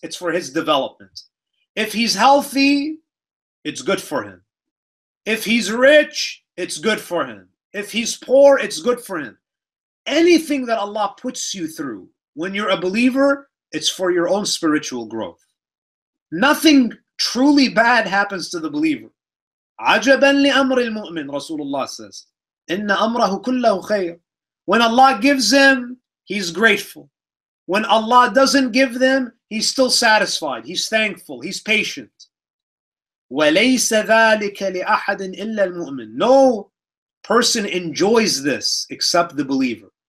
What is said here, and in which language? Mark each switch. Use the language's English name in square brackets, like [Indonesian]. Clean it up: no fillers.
[English] It's for his development. If he's healthy, it's good for him. If he's rich, it's good for him. If he's poor, it's good for him. Anything that Allah puts you through, when you're a believer, it's for your own spiritual growth. Nothing truly bad happens to the believer. [Arabic] عَجَبًا لِأَمْرِ الْمُؤْمِنِ, [English] Rasulullah says. [Arabic] إِنَّ أَمْرَهُ كُلَّهُ خَيْرٌ. [English] When Allah gives him, he's grateful. When Allah doesn't give them, he's still satisfied. He's thankful. He's patient. [Arabic] وَلَيْسَ ذَٰلِكَ لِأَحَدٍ إِلَّا الْمُؤْمِنِ. [English] No person enjoys this except the believer.